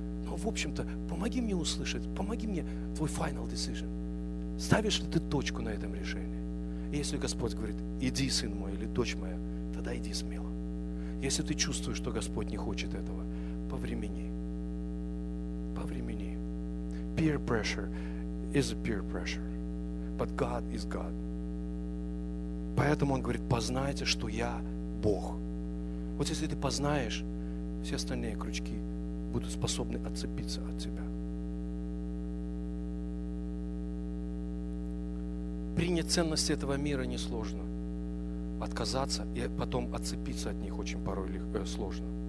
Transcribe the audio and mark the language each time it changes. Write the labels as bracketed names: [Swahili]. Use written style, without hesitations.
[Russian] Но, в общем-то, помоги мне услышать, помоги мне твой [English] final decision. [Russian] Ставишь ли ты точку на этом решении? Если Господь говорит, иди, сын мой или дочь моя, тогда иди смело. Если ты чувствуешь, что Господь не хочет этого, повремени. Повремени. [English] Peer pressure is a peer pressure. But God is God. [Russian] Поэтому Он говорит, познайте, что Я Бог. Вот если ты познаешь, все остальные крючки будут способны отцепиться от тебя. Принять ценности этого мира несложно. Отказаться и потом отцепиться от них очень порой легко, сложно.